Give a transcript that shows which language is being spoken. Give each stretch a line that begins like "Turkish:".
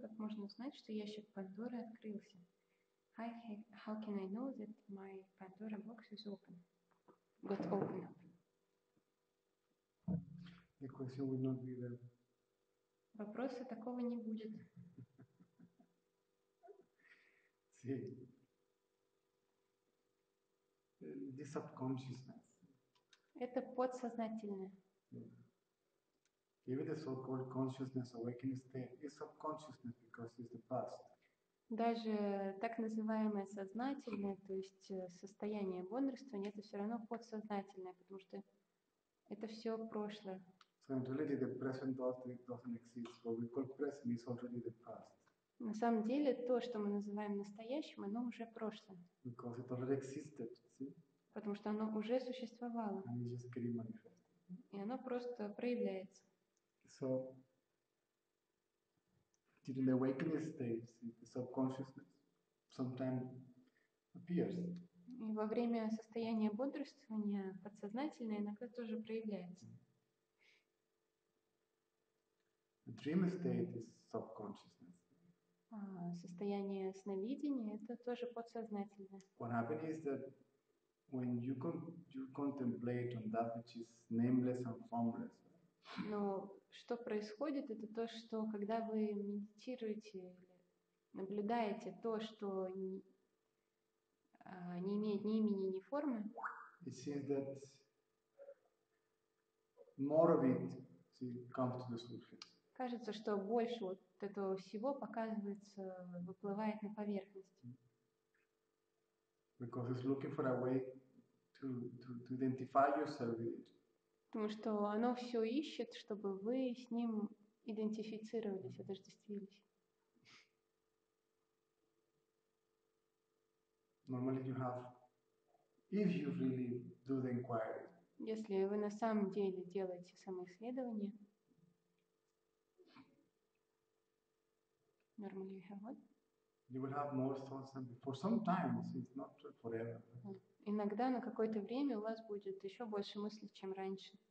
Russian: Как можно узнать, что ящик Пандоры открылся?
English: Hi, how can I know that my Pandora box is open? Got open up. The question will not be there.
Russian: Вопроса такого не будет.
English: See. The subconsciousness.
Russian: Это подсознательное.
English: Even the so-called consciousness awakening state is subconsciousness because it's the past.
Russian: Даже так называемое сознательное, то есть состояние бодрствования, это все равно подсознательное, потому что это все прошлое.
English: So in reality the present doesn't exist. What we call present is already the past.
Russian: На самом деле то, что мы называем настоящим, оно уже прошлое.
English: Because it already existed, see?
Russian: Потому что оно уже существовало.
English: And it's just getting manifested.
Russian: И оно просто проявляется.
English: So, during the awakening stage, the subconsciousness, sometime appears.
Russian: И во время состояния бодрствования подсознательное иногда тоже проявляется.
English: The dream state is subconsciousness.
Russian: Состояние сновидения это тоже подсознательное.
English: What happens is that when you contemplate on that which is nameless and formless.
Russian: Но что происходит, это то, что когда вы медитируете, наблюдаете то, что не имеет ни имени, ни формы.
English: It seems that more of it comes to the surface.
Russian: Кажется, что больше вот этого всего показывается, выплывает на поверхность.
English: Because it's looking for a way to identify yourself with it.
Russian: Потому что оно все ищет, чтобы вы с ним идентифицировались, отождествились.
English: Normally you have, if you really do the inquiry.
Russian: Если вы на самом деле делаете самоисследование.
English: Normally you have what? You will have more thoughts than before. Sometimes it's not forever.
Russian: Иногда на какое-то время у вас будет еще больше мыслей, чем раньше.